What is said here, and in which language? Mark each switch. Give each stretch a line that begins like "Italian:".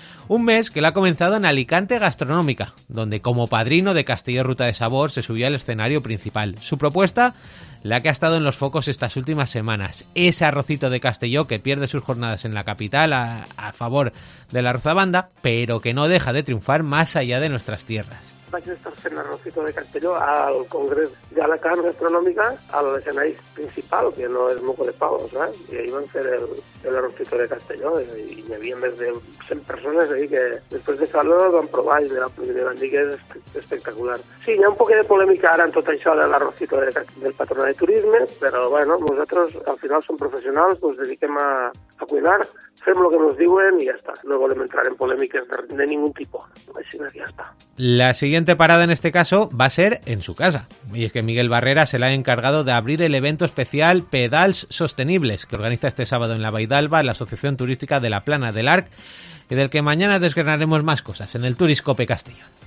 Spanish: Un mes que lo ha comenzado en Alicante Gastronómica, donde como padrino de Castillo Ruta de Sabor se subió al escenario principal. Su propuesta, la que ha estado en los focos estas últimas semanas, ese arrocito de Castelló que pierde sus jornadas en la capital a favor de la Rozabanda, pero que no deja de triunfar más allá de nuestras tierras.
Catalan: Vaig estar-se en Arrocito de Castelló al congrés de Alacant Gastronòmica, a l'escenari principal, que no és Moco de Pavos, eh? I ahir van fer el Arrocito de Castelló i hi havia més de 100 persones ahir que després de fer-lo van provar i li van dir que és espectacular. Sí, hi ha un poc de polèmica ara en tot això de l'Arrocito del Patronat de Turisme, però bueno, nosaltres al final som professionals, ens dediquem a cuinar, fem el que ens diuen i ja està. No volem entrar en polèmiques de ningú tipus. Així que ja està.
Spanish: La siguiente parada en este caso va a ser en su casa. Y es que Miguel Barrera se la ha encargado de abrir el evento especial Pedals Sostenibles, que organiza este sábado en la Baidalba la Asociación Turística de la Plana del Arc, y del que mañana desgranaremos más cosas en el Turiscope Castellón.